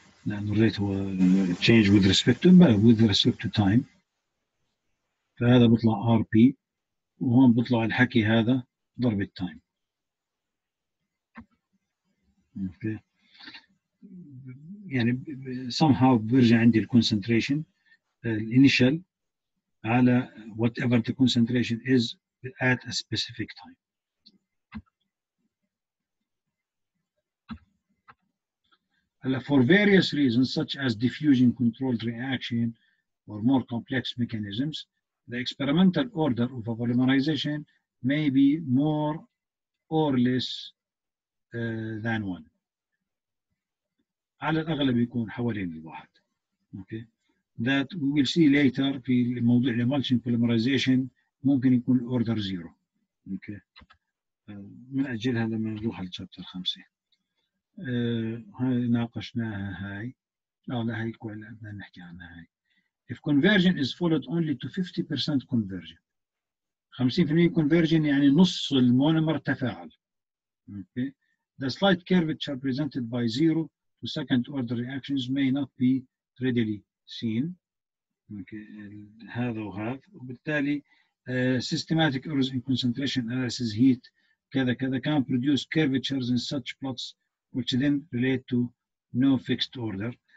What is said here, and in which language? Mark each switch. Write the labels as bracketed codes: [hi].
[ar] لأنه الريت هو [en] change with respect to time، [ar] فهذا بطلع RP، وهون بطلع الحكي هذا ضرب التايم. okay. يعني [en] somehow [ar] بيرجع عندي [en] الconcentration initial [ar] على [en] whatever the concentration is at a specific time. For various reasons such as diffusion controlled reaction or more complex mechanisms, the experimental order of a polymerization may be more or less than one. [ar] على الأغلب يكون حوالين الواحد. Okay. [en] That we will see later [ar] في موضوع الامولشن [en] polymerization [ar] ممكن يكون [en] order zero. Okay. [ar] من أجلها لما نروح على chapter 5. هاي ناقشناها هاي. لا هاي كويلة بدنا نحكي عنها هاي. [en] If conversion is followed only to 50% conversion. [ar] 50% conversion يعني نص المونومر تفاعل. Okay. [en] The slight curvature presented by zero to second order reactions may not be readily seen. [ar] Okay. هذا وهذا. وبالتالي [en] systematic errors in concentration analysis heat [ar] كذا كذا [en] can produce curvatures in such plots which then relate to no fixed order.